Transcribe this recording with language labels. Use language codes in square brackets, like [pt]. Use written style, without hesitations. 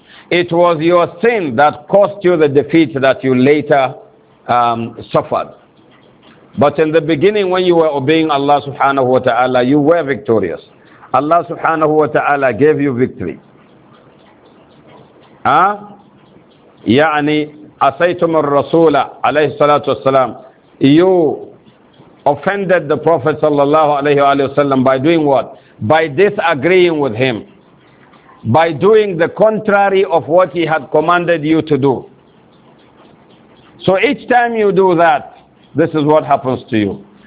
[en] It was your sin that cost you the defeat that you later suffered. But in the beginning, when you were obeying Allah subhanahu wa ta'ala, you were victorious. Allah subhanahu wa ta'ala gave you victory. [ar] يعني أسيتم الرسول عليه الصلاة والسلام. [en] You offended the Prophet sallallahu alayhi wa sallam by doing what? By disagreeing with him. By doing the contrary of what he had commanded you to do. So each time you do that, this is what happens to you.